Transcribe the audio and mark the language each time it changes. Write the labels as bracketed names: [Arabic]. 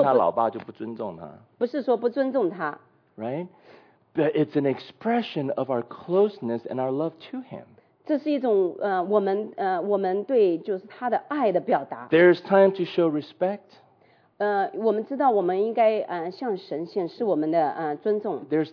[Chinese] 我们有这个自信，就是我们没有我们在和神接触的时候是有一种不尊重他，好像称他老爸就不尊重他。不是说不尊重他。 [English] Right? But it's an expression of our closeness and our love to him. [Chinese] 这是一种我们对就是他的爱的表达。 [English] There's time to show respect. [Chinese] 我们知道我们应该向神显示我们的尊重。 [English] There's